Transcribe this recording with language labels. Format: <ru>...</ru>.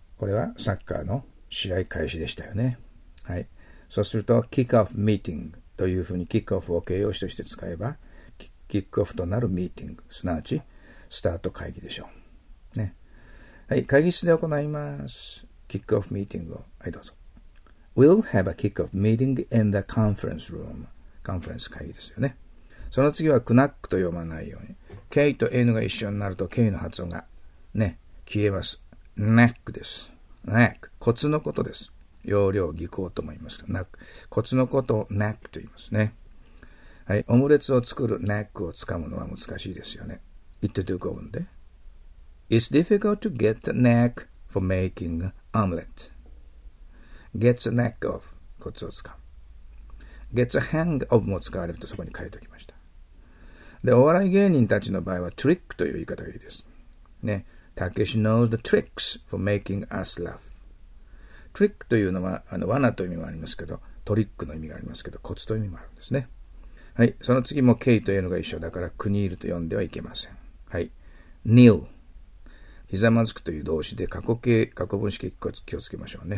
<ja>これはサッカーの試合開始でしたよね。はい。そうすると、キックオフミーティングというふうにキックオフを形容詞として使えば、キックオフとなるミーティング、すなわち、スタート会議でしょう。ね。はい。会議室で行います。キックオフミーティングを。はい、どうぞ。</ja> <en>We'll have a kick-off meeting in the conference room.</en> <ja>カンファレンス会議ですよね。その次はクナックと読まないように。 K と N が一緒になると K の発音がね、消えます。 Knack です。Knack。 コツのことです。要領、技巧とも言いますけど、Knack。コツのことを Knack と言いますね。はい。オムレツを作る Knack をつかむのは難しいですよね。</ja> <en>It took over で。 It's difficult to get the Knack for making omelette. Gets a knack of</en> <ja>コツをつかむ。</ja> <en>Gets a hang of</en> <ja>も使われるとそこに書いておきました。で、お笑い芸人たちの場合は trick という言い方がいいです。ね。</ja> <en>Takeshi knows the tricks for making us laugh.</en> <ja>Trick というのは罠という意味もありますけど、トリックの意味がありますけど、コツという意味もあるんですね。はい。その次も K と N が一緒だから、クニールと呼んではいけません。はい。Kneel。ひざまずくという動詞で過去形、過去分詞形を気をつけましょうね。</ja>